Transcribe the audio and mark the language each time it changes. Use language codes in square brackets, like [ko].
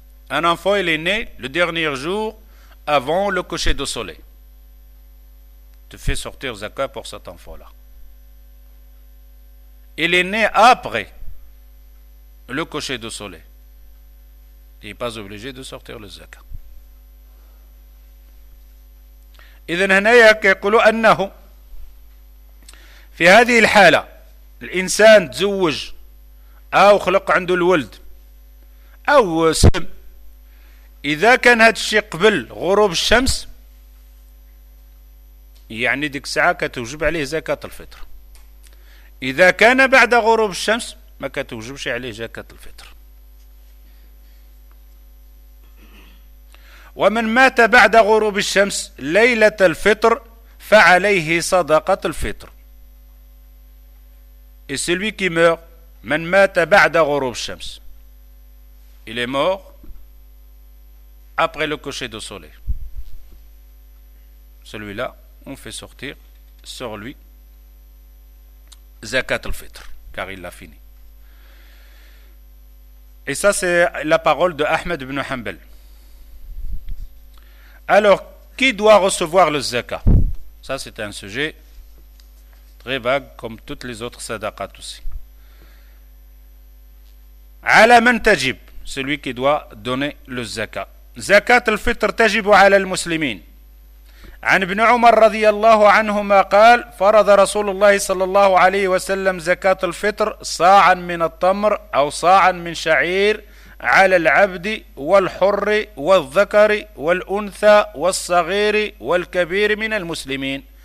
[fr] Un enfant, il est né le dernier jour avant le coucher de soleil. Tu fais sortir zakat pour cet enfant-là. Il est né après le coucher de soleil. Il n'est pas obligé de sortir le zakat. [ar] إذن هنا يقول أنه في هذه الحالة الإنسان تزوج أو خلق عنده الولد أو سلم, إذا كان هذا الشيء قبل غروب الشمس يعني ديك الساعة كتوجب عليه زكاة الفطر, إذا كان بعد غروب الشمس ما كتوجبش عليه زكاة الفطر. ومن مات بعد غروب الشمس ليلة الفطر فعليه صدقة الفطر. [fr] Et celui qui meurt, [ar] من مات بعد غروب الشمس, [fr] il est mort après le coucher de soleil, celui-là on fait sortir sur lui zakat al-fitr, car il l'a fini. Et ça c'est la parole de Ahmed ibn Hanbal. Alors qui doit recevoir le zakat? Ça c'est un sujet très vague comme toutes les autres sadaqat aussi. Ala man tajib, celui qui doit donner le zakat. [ar] Zakat al-fitr tajib ala al-muslimin. عن ابن عمر رضي الله عنهما قال فرض رسول الله صلى الله عليه وسلم زكاة الفطر صاعا من التمر أو صاعا من شعير على العبد والحر والذكر والأنثى والصغير والكبير من المسلمين.